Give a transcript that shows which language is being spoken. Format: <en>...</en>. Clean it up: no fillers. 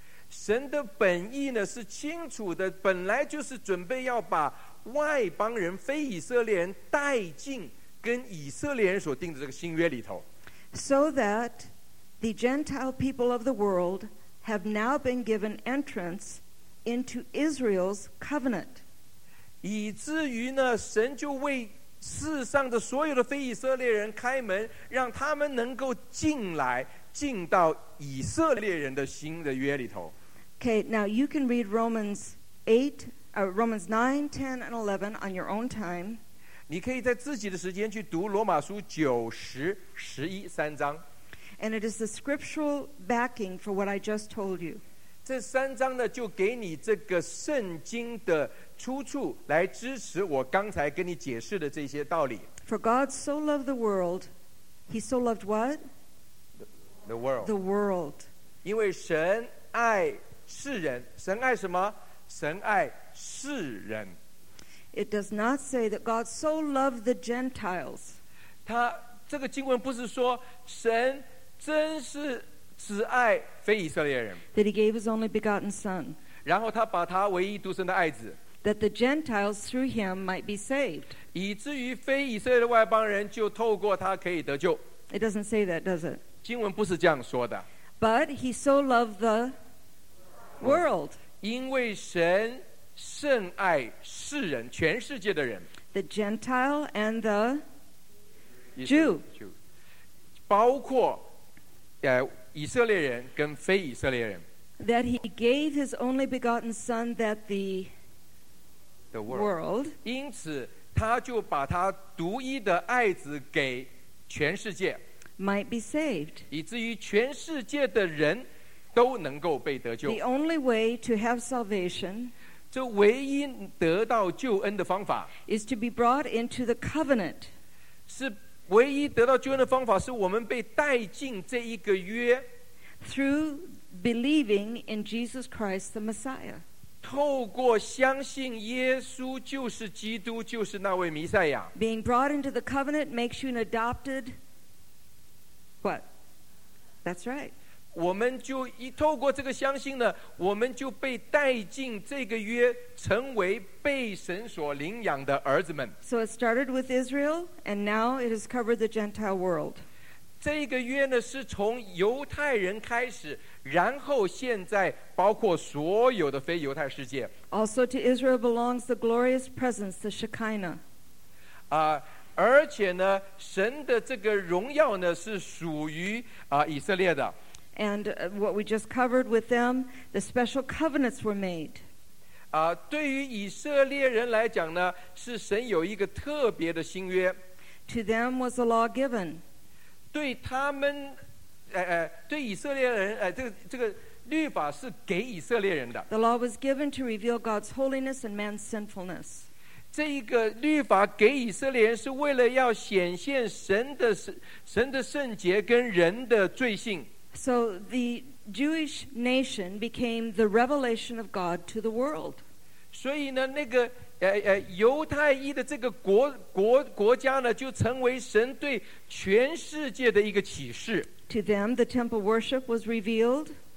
<zh>神的本意呢是清楚的，本来就是准备要把外邦人非以色列人带进跟以色列人所定的这个新约里头。</zh> <en>So that the Gentile people of the world have now been given entrance into Israel's covenant.</en> <zh>以至于呢，神就为世上的所有的非以色列人开门，让他们能够进来，进到以色列人的新的约里头。</zh> <en>Okay, now you can read Romans 8, Romans 9, 10, and 11 on your own time.</en> <zh>你可以在自己的时间去读罗马书九、十、十一三章。</zh> <en>And it is the scriptural backing for what I just told you.</en> <zh>这三章呢，就给你这个圣经的出处来支持我刚才跟你解释的这些道理。</zh> <en>For God so loved the world, He so loved what? The world. The world.</en> <zh>因为神爱世人，神爱什么？神爱世人。</zh> <en>It does not say that God so loved the Gentiles.</en> <zh>他这个经文不是说神真是只爱非以色列人。</zh> <en>That He gave His only begotten Son.</en> <zh>然后他把他唯一独生的爱子。</zh> <en>That the Gentiles through him might be saved.</en> <zh>以至于非以色列的外邦人就透过他可以得救。</zh> <en>It doesn't say that, does it?</en> <zh>经文不是这样说的。</zh> <en>But he so loved the world.</en> <zh>因为神甚爱世人，全世界的人。</zh> <en>The Gentile and the Jew.</en> <zh>包括以色列人跟非以色列人。</zh> <en>That he gave his only begotten son that the world.</en> <zh>因此他就把他独一的爱子给全世界，</zh> <en>might be saved.</en> <zh>以至于全世界的人都能够被得救。</zh> <en>The only way to have salvation,</en> <zh>这唯一得到救恩的方法，</zh> <en>is to be brought into the covenant.</en> <zh>是唯一得到救恩的方法，是我们被带进这一个约，</zh> <en>through believing in Jesus Christ the Messiah.</en> <zh>透过相信耶稣就是基督，就是那位弥赛亚。</zh> <en>Being brought into the covenant makes you an adopted. What? That's right.</en> <zh>我们就一透过这个相信呢，我们就被带进这个约，成为被神所领养的儿子们。</zh> <en>So it started with Israel, and now it has covered the Gentile world.</en> <zh>这个约呢，是从犹太人开始，然后现在包括所有的非犹太世界。</zh> <en>Also to Israel belongs the glorious presence, the Shekinah.</en> <zh>而且呢，神的这个荣耀呢，是属于以色列的。</zh> <en>And what we just covered with them, the special covenants were made.</en> <zh>对于以色列人来讲呢，是神有一个特别的新约。</zh> <en>To them was the law given.</en> <zh>对他们，对以色列人，这个律法是给以色列人的。</zh> <en>The law was given to reveal God's holiness and man's sinfulness.</en> <zh>这个律法给以色列人是为了要显现神的圣洁跟人的罪性。</zh> <en>So the Jewish nation became the revelation of God to the world.</en> <zh>所以呢，那个犹太裔的这个国家呢，就成为神对全世界的一个启示。</zh> <en>To them, the temple worship was revealed.</en>